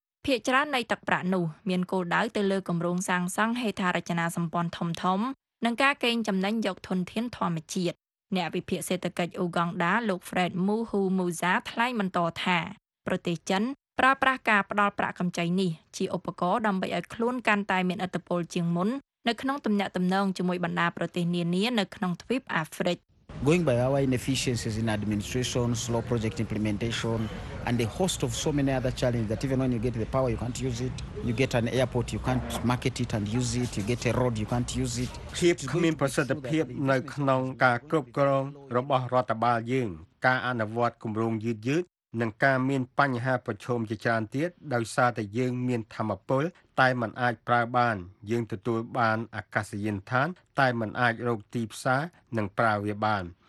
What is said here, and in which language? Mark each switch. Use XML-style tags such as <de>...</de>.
<km>ភាគច្រើននៃទឹកប្រាក់នោះមានគោលដៅទៅលើគម្រោងសាងសង់ហេដ្ឋារចនាសម្ព័ន្ធធំៗនិងការកេងចំណេញយកធនធានធម្មជាតិអ្នកវិភាគសេដ្ឋកិច្ចអូហ្គង់ដាលោក Fred Muhu Musa ថ្លែងបន្តថាប្រទេសចិនប្រើប្រាស់ការផ្តល់ប្រាក់កម្ចីនេះជាឧបករណ៍ដើម្បីឲ្យខ្លួនកាន់តែមានឥទ្ធិពលជាងមុននៅក្នុងទំនាក់ទំនងជាមួយបណ្ដាប្រទេសនានានៅក្នុងទ្វីបអាហ្វ្រិក</km> <en>Going by our inefficiencies in administration, slow project implementation and a host of so many other challenges that even when you get the power you can't use it, you get an airport you can't market it and use it, you get a road you can't use it.</en> <km>ភាពគ្មានប្រសិទ្ធភាពនៅក្នុងការគ្រប់គ្រងរបស់រដ្ឋបាលយើងការអនុវត្តគម្រោងយឺតៗនិងការមានបញ្ហាប្រឈមជាច្រើនទៀតដោយសារតែយើងមានធម្មពលតែมันអាចប្រើបានយើងទទួលបានអាកាសយានដ្ឋានតែมันអាចរកទីផ្សារនិងប្រើវាបាន</km>